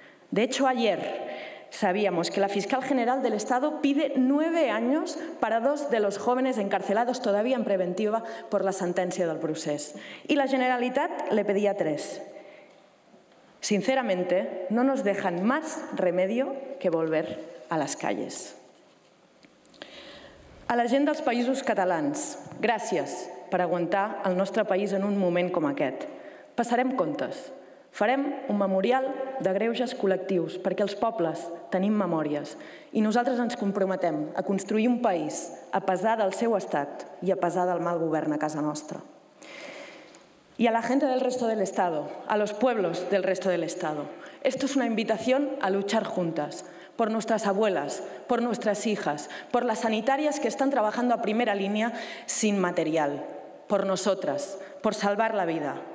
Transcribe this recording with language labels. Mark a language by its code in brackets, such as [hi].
[es] De hecho, ayer sabíamos que la fiscal general del Estado pide 9 años para 2 de los jóvenes encarcelados todavía en preventiva por la sentencia del procés. Y la Generalitat le pedía 3. sinceramente, no nos dejan más remedio que volver a las calles. [ca] A la gent dels països catalans, gràcies per aguantar el nostre país en un moment com aquest. Passarem comptes. Farem un memorial de greuges col·lectius, perquè els pobles tenim memòries i nosaltres ens comprometem a construir un país a pesar del seu estat i a pesar del mal govern a casa nostra. [es] Y a la gente del resto del Estado, a los pueblos del resto del Estado. Esto es una invitación a luchar juntas, por nuestras abuelas, por nuestras hijas, por las sanitarias que están trabajando a primera línea sin material, por nosotras, por salvar la vida.